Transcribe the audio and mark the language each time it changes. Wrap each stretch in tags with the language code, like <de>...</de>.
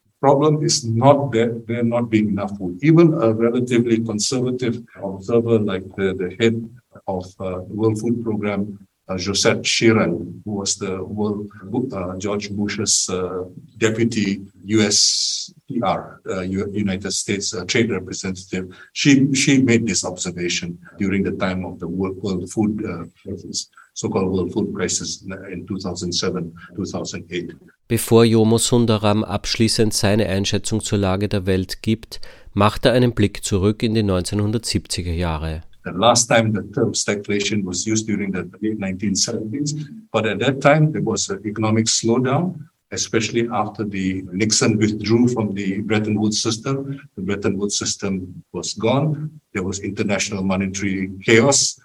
<en>Problem is not that there not being enough food. Even a relatively conservative observer like the head of the World Food Program, Josette Sheeran, who was the World George Bush's deputy USPR, United States trade representative, she made this observation during the time of the world food crisis, so-called world food crisis in 2007-2008.</en> <de>Bevor Jomo Sundaram abschließend seine Einschätzung zur Lage der Welt gibt, macht er einen Blick zurück in die 1970er Jahre.</de> <en>The last time the term stagflation was used during the late 1970s, but at that time there was an economic slowdown, especially after the Nixon withdrew from the Bretton Woods system. The Bretton Woods system was gone. There was international monetary chaos.</en>